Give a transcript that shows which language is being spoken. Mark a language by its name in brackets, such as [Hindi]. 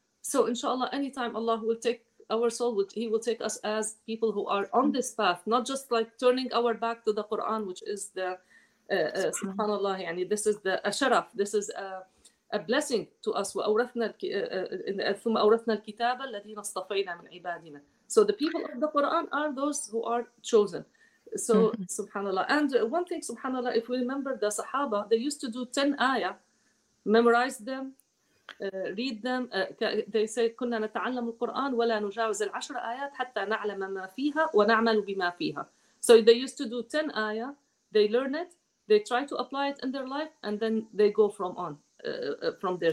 [English] So inshallah, anytime Allah will take our soul, he will take us as people who are on this path, not just like turning our back to the Quran, which is the subhanallah, yani, this is the sharaf, this is a blessing to us. [Arabic] ثم أورثنا الكتاب الذين اصطفينا من عبادنا. [English] So the people of the Quran are those who are chosen. So subhanallah. And one thing, subhanallah, if we remember the Sahaba, they used to do 10 ayah, memorize them, read them. They say [Arabic] كنا نتعلم القرآن ولا نجاوز العشر آيات حتى نعلم ما فيها ونعمل بما فيها. [English] So they used to do 10 ayah. They learn it. They try to apply it in their life, and then they go from on from there.